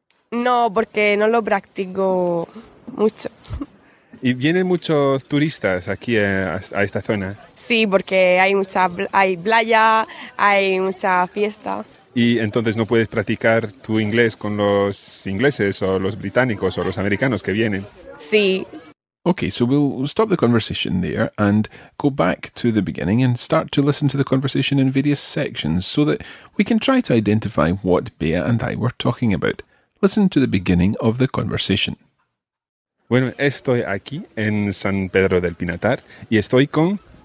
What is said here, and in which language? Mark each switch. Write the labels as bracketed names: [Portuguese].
[Spanish] No, porque no lo practico mucho. ¿Y vienen muchos turistas aquí a esta zona? Sí, porque hay playa, hay mucha fiesta. ¿Y entonces no puedes practicar tu inglés con los ingleses o los británicos o los americanos que vienen? Sí. [English] Okay, so we'll stop the conversation there and go back to the beginning and start to listen to the conversation in various sections so that we can try to identify what Bea and I were talking about. Listen to the beginning of the conversation. [Spanish] Bueno, estoy aquí en San Pedro del Pinatar y estoy con...